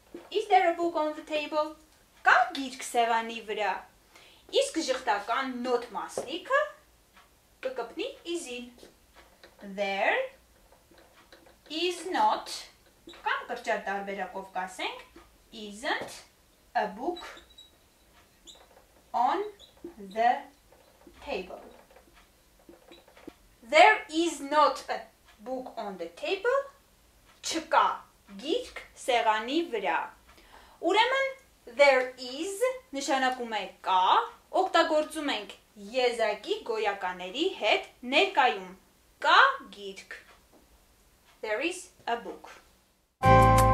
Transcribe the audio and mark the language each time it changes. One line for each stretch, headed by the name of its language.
English: Is there a book on the table?
Armenian: Կա գիրք սեղանի վրա։ Իսկ ժխտական նոթ մասնիկը կկպնի
English: is-ին։ There is not,
Armenian: կամ կրճատ տարբերակով կասենք,
English: isn't a book on the table. There is not a book on the table.
Armenian: Չկա գիրք սեղանի վրա։ Ուրեմն there is նշանակում է կա, օգտագործում ենք եզակի գոյականների հետ ներկայում։ Կա գիրք.
English: There is a book.